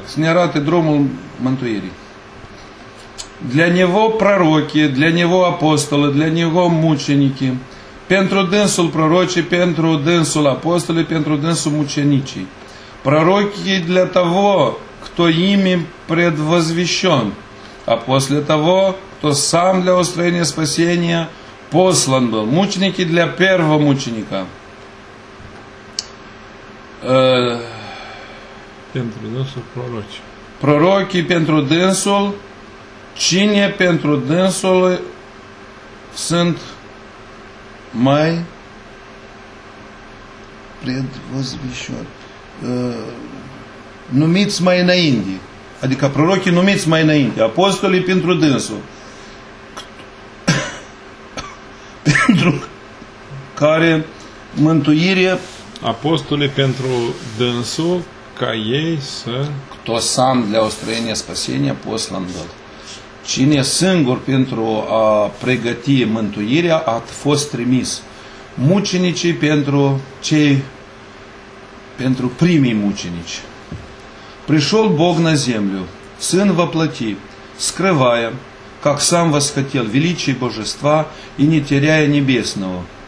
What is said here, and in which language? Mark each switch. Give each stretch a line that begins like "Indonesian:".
Romanian: Să ne arate drumul mântuirii.
Russian: для него пророки, для него апостоли, для него мученики.
Romanian: Pentru dânsul prorocii, pentru dânsul apostoli, pentru dânsul mucenicii.
Russian: Пророки для того, кто ими предвозвещен, а после того, кто сам для устроения спасения послан был. Мученики для первого мученика.
Romanian: Pentru dânsul prorocii. Пророки pentru dânsul, cine pentru dânsul sunt mai предвозвещен. Numiți mai înainte. Adică prorocii numiți mai înainte. Apostolii pentru dânsul. Pentru care mântuirea... Apostolii pentru dânsul ca ei să...
Russian: Кто сам для устроения спасения послан был.
Romanian: Cine singur pentru a pregăti mântuirea a fost trimis. Mucenicii pentru cei... pentru primii mucenici.
Russian: Пришел Бог на землю, Сын во плоти, скрывая, как Сам восхотел, величие Божества и не теряя небесного.